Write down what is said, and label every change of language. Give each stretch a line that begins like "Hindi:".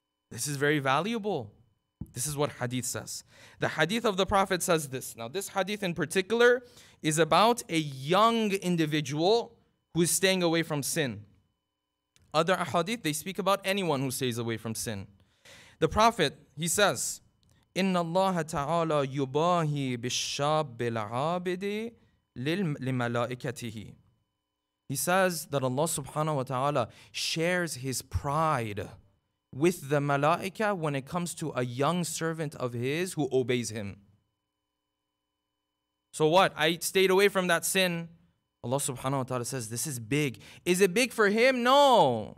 English: This is very valuable. This is what Hadith says. The Hadith of the Prophet says this. Now, this Hadith in particular is about a young individual who is staying away from sin. Other ahadith, they speak about anyone who stays away from sin. The Prophet, he says,
Arabic: إِنَّ اللَّهَ تَعَالَى يُبَاهِي بِالشَّابِ الْعَابِدِ لِلْمَلَائِكَتِهِ.
English: He says that Allah subhanahu wa ta'ala shares His pride with the malaika when it comes to a young servant of His who obeys Him. So what? I stayed away from that sin. Allah subhanahu wa ta'ala says, this is big. Is it big for him? No.